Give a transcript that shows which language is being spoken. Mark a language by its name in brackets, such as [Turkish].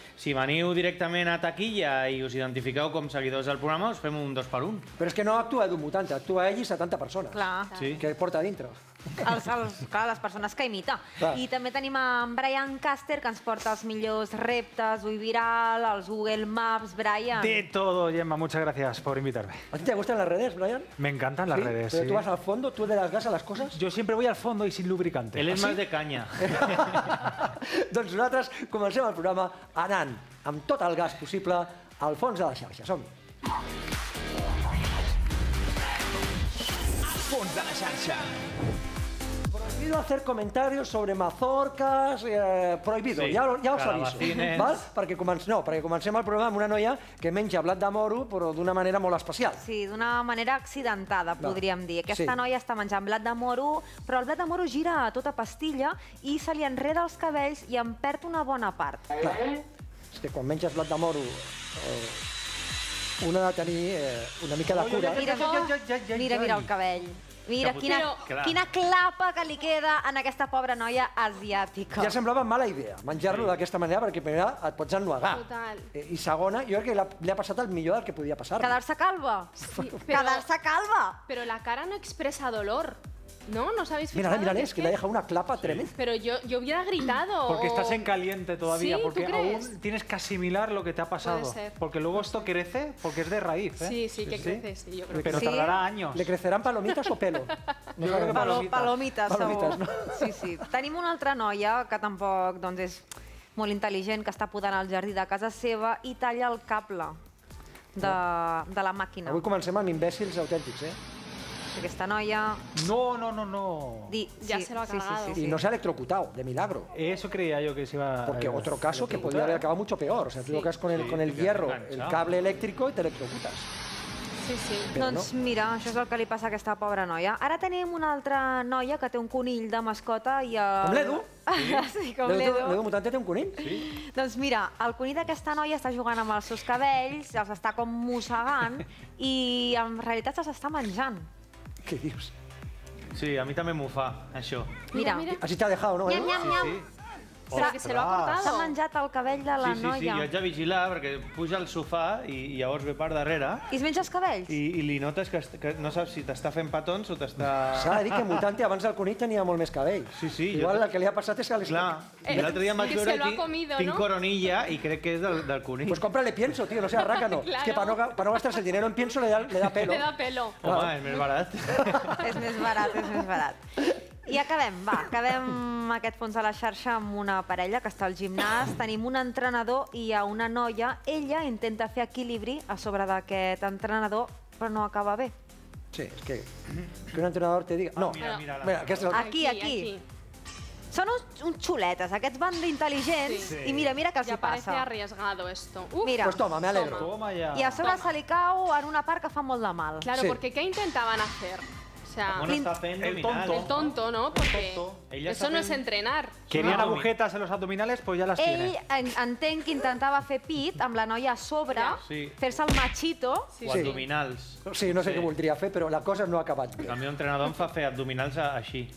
[Catalan] Si veniu directament a taquilla i us identifiqueu com seguidors del programa, us fem un 2x1. Però és que no actua Edu Mutante, actua ell i 70 persones. Clar. Sí. Que porta a dintre. Clar, les persones que imita. I també tenim en Brian Caster, que ens porta els millors reptes, Ui Viral, els Google Maps, Brian. [Spanish] De todo, Gemma, muchas gracias por invitarme. ¿A ti te gustan las redes, Brian? Me encantan las redes, sí. ¿Tú vas al fondo? ¿Tú le das gas a las cosas? Yo siempre voy al fondo y sin lubricante. Él es más de caña. [Catalan] Doncs nosaltres comencem el programa anant amb tot el gas possible al fons de la xarxa. Som-hi. Al fons de la xarxa. [Spanish] Prohibido hacer comentarios sobre mazorcas, prohibido, sí, ja us aviso. [Catalan] Val? Perquè comencem el programa amb una noia que menja blat de moro, però d'una manera molt especial. Sí, d'una manera accidentada, podríem dir. Aquesta noia està menjant blat de moro, però el blat de moro gira a tota pastilla i se li enreda els cabells i en perd una bona part. Clar. És que quan menges blat de moro... un ha de tenir una mica de cura. Mira el cabell. Mira, quina clapa que li queda a aquesta pobra noia asiàtica. Ja semblava mala idea menjar-lo d'aquesta manera, perquè primera et pots ennuegar. Total. I segona, jo crec que li ha passat el millor del que podia passar. Quedar-se calva. Sí. Quedar-se calva. Però la cara no expressa dolor. No, no os habéis [Spanish] fijado. Mira, es que le ha dejado una clapa tremenda. Pero yo hubiera gritado. Porque estás en caliente todavía. ¿Sí? Porque ¿tú crees? Aún tienes que asimilar lo que te ha pasado. Puede ser. Porque luego esto crece, porque es de raíz. ¿Eh? Sí, que crece. Sí, yo creo. Pero que tardará sí. años. ¿Le crecerán palomitas o pelo? No, yo creo que palomitas [Catalan] segur. Sí. Tenim una altra noia que tampoc és molt intel·ligent, que està podant al jardí de casa seva i talla el cable de la màquina. Avui comencem amb imbècils autèntics, eh? Aquesta noia... No. [Spanish] Sí, ya se lo ha cagado. Sí. Y no se ha electrocutado, de milagro. Eso creía yo que se iba... Porque otro caso que podría haber acabado mucho peor. O sea, tú lo que haces con el hierro, el cable eléctrico, y te electrocutas. Sí. [Catalan] Però doncs no. Mira, això és el que li passa a aquesta pobra noia. Ara tenim una altra noia que té un conill de mascota i... Com l'Edu? Sí, com l'Edu. L'Edu Mutante té un conill? Sí. Doncs mira, el conill d'aquesta noia està jugant amb els seus cabells, els està com mossegant i en realitat se'ls està menjant. Què dius? Sí, a mi també m'ho fa, això. Mira. Així t'ha deixat, no? Nyam. Però que se l'ho ha cortat. S'ha menjat el cabell de la noia. Sí, jo haig de vigilar, perquè puja al sofà i llavors ve per darrere. I es menja els cabells? I li notes que no saps si t'està fent petons o t'està... S'ha de dir que Mutante abans del conill tenia molt més cabell. Sí. Igual el que li ha passat és que... Clar, i l'altre dia em vaig veure aquí, tinc coronilla i crec que és del conill. [Spanish] Pues cómprale pienso, tío, no sea rácano. Claro. Es que para no gastarse el dinero en pienso le da pelo. Le da pelo. [Catalan] Home, és més barat. És més barat. I acabem aquest fons de la xarxa amb una parella que està al gimnàs. Tenim un entrenador i hi ha una noia. Ella intenta fer equilibri a sobre d'aquest entrenador, però no acaba bé. Sí, és que un entrenador te diga... No, mira, aquí. Són uns xuletes, aquests van d'intel·ligents. Sí. I mira què els ja passa. [Spanish] Ja parece arriesgado esto. Uf, mira. Pues toma, me alegro. Toma ya. [Catalan] I a sobre se li cau en una part que fa molt de mal. [Spanish] Claro, sí. Porque ¿qué intentaban hacer? El tonto, ¿no? Porque tonto. Eso no es entrenar. Querían agujetas en los abdominales, pues ya las [Catalan] ell [Spanish] tiene. [Catalan] Ell entenc que intentava fer pit amb la noia a sobre, fer-se el machito. Sí. O abdominals. Sí, no sé què voldria fer, però la cosa no ha acabat bé. El meu entrenador em fa fer abdominals així.